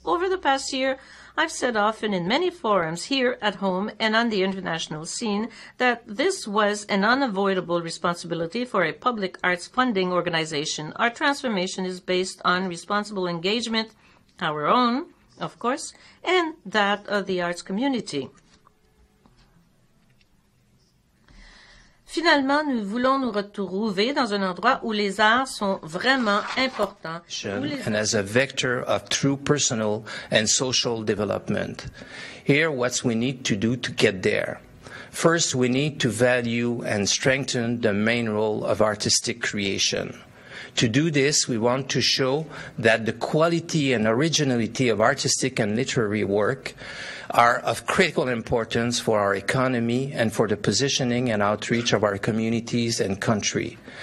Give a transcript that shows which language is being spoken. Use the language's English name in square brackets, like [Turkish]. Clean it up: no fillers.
[English] Over the past year, I've said often in many forums here at home and on the international scene that this was an unavoidable responsibility for a public arts funding organization. Our transformation is based on responsible engagement, our own, of course, and that of the arts community. [French] Finalement, nous voulons nous retrouver dans un endroit où les arts sont vraiment importants. [English] And as a vector of true personal and social development. Here, what we need to do to get there. First, we need to value and strengthen the main role of artistic creation. To do this, we want to show that the quality and originality of artistic and literary work are of critical importance for our economy and for the positioning and outreach of our communities and country.